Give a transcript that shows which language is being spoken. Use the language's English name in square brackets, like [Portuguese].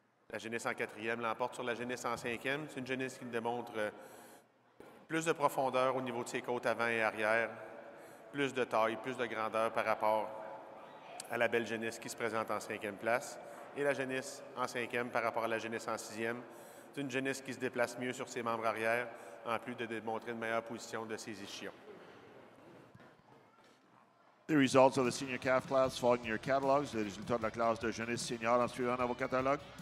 [French] La jeunesse en quatrième l'emporte sur la jeunesse en cinquième. C'est une jeunesse qui démontre plus de profondeur au niveau de ses côtes avant et arrière, plus de taille, plus de grandeur par rapport à la belle jeunesse qui se présente en cinquième place. Et la jeunesse en cinquième par rapport à la jeunesse en sixième, c'est une jeunesse qui se déplace mieux sur ses membres arrière, en plus de démontrer une meilleure position de ses ischions. [English] The results of the senior calf class following your catalogues. [French] Les résultats de la classe de jeunesse senior en suivant vos catalogues.